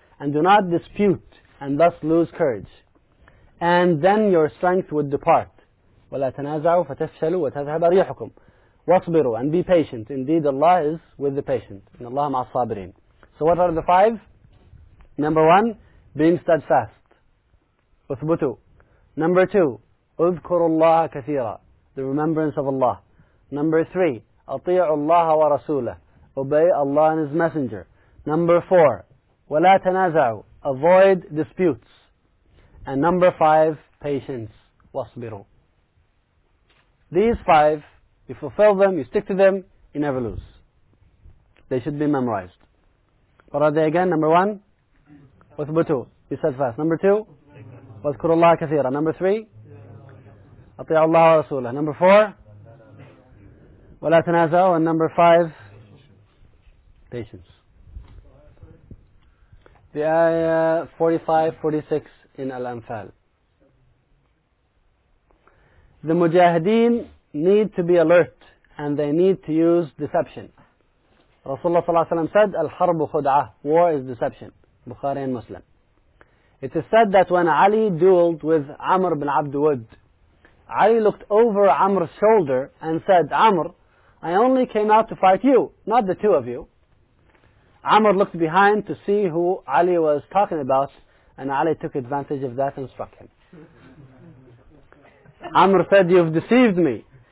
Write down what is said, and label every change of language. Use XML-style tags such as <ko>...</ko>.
<en>And do not dispute and thus lose courage. And then your strength would depart.</en> <ar>وَلَا تَنَازَعُوا فَتَفْشَلُوا وَتَذْهَبَ رِيحُكُمْ. وَاصْبِرُوا.</ar> <en>And be patient. Indeed Allah is with the patient.</en> <ar>إن الله مع الصابرين.</ar> <en>So what are the five? Number one, being steadfast.</en> <ar>Uthbutu.</ar> <en>Number two,</en> <ar>اذكروا الله كثيرا.</ar> <en>The remembrance of Allah. Number three,</en> <ar>اطيعوا الله ورسوله.</ar> <en>Obey Allah and His Messenger. Number four,</en> <ar>ولا تنازعوا.</ar> <en>Avoid disputes. And number five, patience.</en> <ar>واصبروا.</ar> <en>These five, you fulfill them, you stick to them, you never lose. They should be memorized. What are they again? Number one,</en> <ar>اثبتوا.</ar> <en>Be steadfast. Number two,</en> <ar>وَذْكُرُ اللَّهَ كَثِيرًا.</ar> <en>Number three,</en> <ar>أَطِيعُ اللَّهَ وَرَسُولَهُ.</ar> <en>Number four,</en> <ar>وَلَا تَنَازَعُوا.</ar> <en>And number five, patience. The ayah 45-46 in Al-Anfal. The mujahideen need to be alert and they need to use deception.</en> <ar>Rasulullah صلى الله عليه وسلم</ar> <en>said,</en> <ar>الْحَرْبُ خُدْعَةٌ.</ar> <en>War is deception. Bukhari and Muslim. It is said that when Ali dueled with Amr bin Abdul, Ali looked over Amr's shoulder and said, Amr, I only came out to fight you, not the two of you. Amr looked behind to see who Ali was talking about, and Ali took advantage of that and struck him. Amr said, you've deceived me.</en>